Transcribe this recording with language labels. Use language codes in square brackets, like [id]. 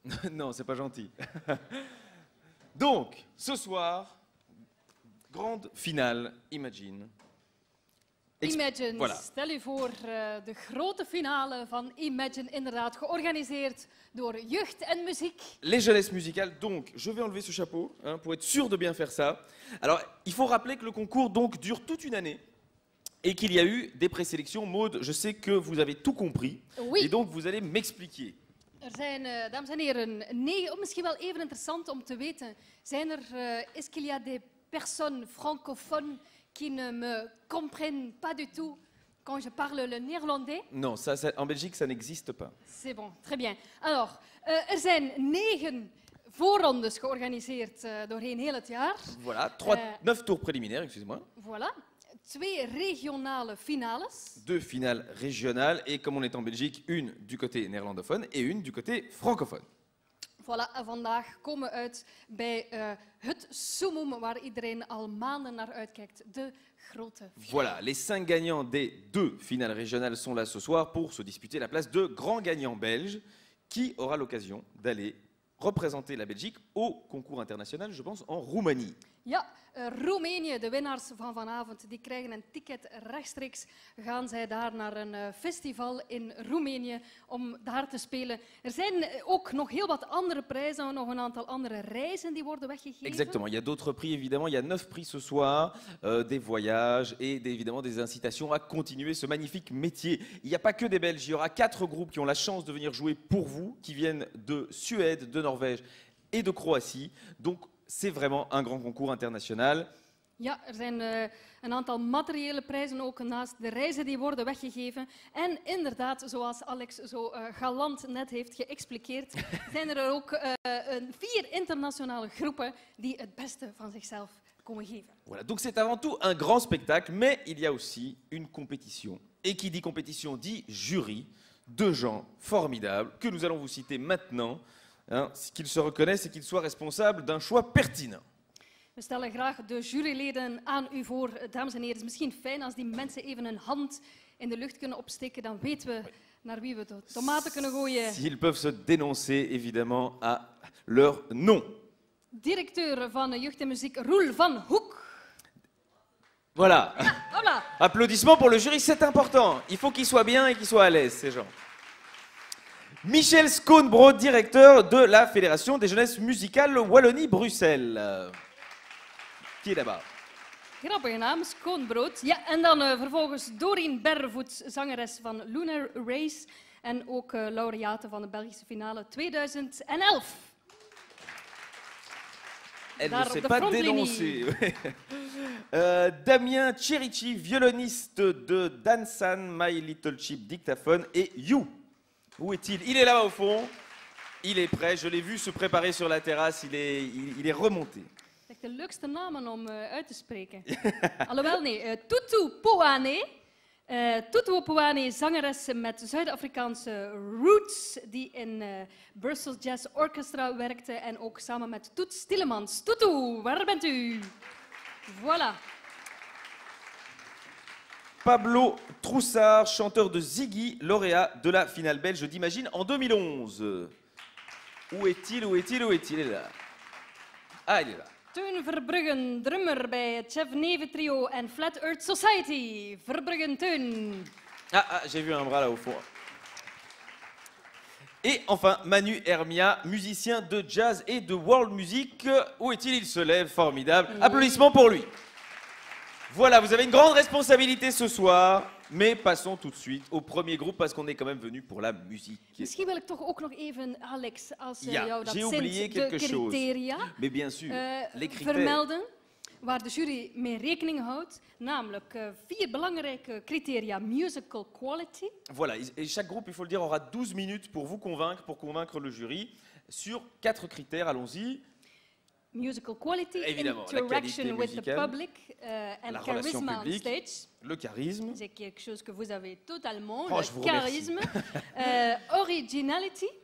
[fr] Non, c'est pas gentil. Donc, ce soir, grande finale, imagine. Imagine, voilà. [nl] Stel je voor de grote finale van Imagine, inderdaad, georganiseerd door jeugd en muziek. [fr] Les jeunes musicales, donc, je vais enlever ce chapeau, hein, pour être sûr de bien faire ça. Alors, il faut rappeler que le concours donc, dure toute une année et qu'il y a eu des présélections. Maud, je sais que vous avez tout compris. Oui. Et donc, vous allez m'expliquer. [nl] Er zijn, dames en heren, misschien wel even interessant om te weten, zijn er, [fr] est-ce qu'il y a des personnes francophones qui ne me comprennent pas du tout quand je parle le néerlandais? Non, ça, en Belgique, ça n'existe pas. C'est bon, très bien. [nl] Alors, er zijn 9 voorrondes georganiseerd doorheen heel het jaar. [fr] Voilà, 9 tours préliminaires, excusez-moi. [nl] Voilà, 2 régionale finales. [fr] 2 finales régionales, et comme on est en Belgique, une du côté néerlandophone et une du côté francophone. [nl] Voilà, vandaag komen we uit bij het summum waar iedereen al maanden naar uitkijkt, de grote finale. [fr] Voilà, les 5 gagnants des 2 finales régionales sont là ce soir pour se disputer la place de grand gagnant belge qui aura l'occasion d'aller représenter la Belgique au concours international, je pense, en Roumanie. [nl] Ja, Roemenië, de winnaars van vanavond, die krijgen een ticket rechtstreeks. Gaan zij daar naar een festival in Roemenië om daar te spelen. Er zijn ook nog heel wat andere prijzen, nog een aantal andere reizen die worden weggegeven. [fr] Exactement, il y a d'autres prix, évidemment. Il y a 9 prix ce soir, des voyages et évidemment des incitations à continuer ce magnifique métier. Il n'y a pas que des Belges, il y aura 4 groupes qui ont la chance de venir jouer pour vous, qui viennent de Suède, de Norvège et de Croatie. Donc, c'est vraiment un grand concours international. [nl] Ja, er zijn een aantal materiële prijzen ook naast de reizen die worden weggegeven. En inderdaad, zoals Alex zo galant net heeft geëxpliqueerd, zijn er ook 4 internationale groepen die het beste van zichzelf komen geven. [fr] Voilà, donc c'est avant tout un grand spectacle, mais il y a aussi une compétition. Et qui dit compétition dit jury, deux gens formidables que nous allons vous citer maintenant. Qu'ils se reconnaissent et qu'ils soient responsables d'un choix pertinent. [nl] We stellen graag de juryleden aan u voor, dames en heren. Het is misschien fijn als die mensen even een hand in de lucht kunnen opsteken, dan weten we naar wie we de tomaten kunnen gooien. [fr] S'ils peuvent se dénoncer, évidemment, à leur nom. [nl] Directeur van Jeugd en Muziek, Roel van Hoek. [fr] Voilà. [nl] Ja, voilà. [fr] Applaudissements pour le jury, c'est important. Il faut qu'ils soient bien et qu'ils soient à l'aise, ces gens. Michel Schoonbrood, directeur de la Fédération des jeunesses musicales Wallonie-Bruxelles. Qui est là-bas? [nl] Grappige naam, Schoonbrood. Ja, en dan vervolgens Doreen Berrevoet, zangeres van Lunar Race. En ook laureate van de Belgische finale 2011. [fr] Elle ne s'est pas dénoncée. Damien Cherici, violoniste de Dansan, My Little Cheap Dictaphone et You. Où est-il? Il est là au fond. Il est prêt. Je l'ai vu se préparer sur la terrasse. Il est remonté. [nl] C'est de leukste namen om uit te spreken. Alhoewel, nee. Toutou Pouane. Toutou Pouane, zangeres met Zuid-Afrikaanse roots. Die in Brussels Jazz Orchestra werkte. En ook samen met Toet Stillemans. Toutou, waar bent u? Voilà. [fr] Pablo Troussard, chanteur de Ziggy, lauréat de la finale belge d'Imagine en 2011. Où est-il, où est-il, où est-il? Il est là. Ah, il est là. [nl] Teun Verbruggen, drummer bij het Chef Neve Trio en Flat Earth Society. Verbruggen, Teun. [fr] Ah, j'ai vu un bras là au fond. Et enfin, Manu Hermia, musicien de jazz et de world music. Où est-il? Il se lève, formidable. Applaudissements pour lui. Voilà, vous avez une grande responsabilité ce soir, mais passons tout de suite au premier groupe parce qu'on est quand même venu pour la musique. [nl] Misschien wil ik toch ook nog even, Alex, als jou dat zint, [fr] j'ai oublié quelque chose, mais bien sûr, les critères. [nl] Vermelden waar de jury mee rekening houdt, namelijk 4 belangrijke criteria, musical quality. [fr] Voilà, et chaque groupe, il faut le dire, aura 12 minutes pour vous convaincre, pour convaincre le jury, sur 4 critères, allons-y. [en] musical quality, [fr] évidemment, [en] interaction [fr] musicale, [en] with the public, and charisma [fr] public, [en] on stage. [fr] Le charisme. C'est quelque chose que vous avez totalement. Oh, le charisme. originality.